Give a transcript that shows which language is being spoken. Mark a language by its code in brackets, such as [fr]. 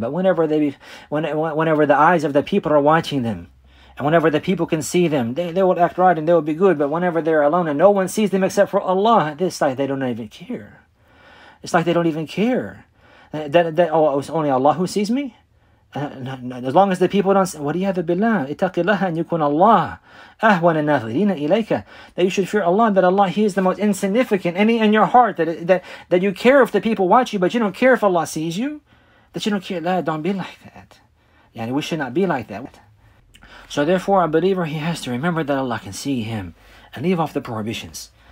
[en] But whenever the eyes of the people are watching them, and whenever the people can see them, they will act right and they will be good. But whenever they're alone and no one sees them except for Allah, it's like they don't even care. It's like they don't even care. Oh, it's only Allah who sees me? As long as the people don't see, [ar] وَلِيَذَ بِاللَّهِ اتَّقِ اللَّهَ أَنْ يُكُونَ اللَّهِ أَهْوَنَ النَّاظِرِينَ إِلَيْكَ. [en] That you should fear Allah, that Allah, He is the most insignificant in your heart, that you care if the people watch you, but you don't care if Allah sees you. That you don't care. لا, don't be like that. Yani, we should not be like that. So therefore, a believer, he has to remember that Allah can see him and leave off the prohibitions.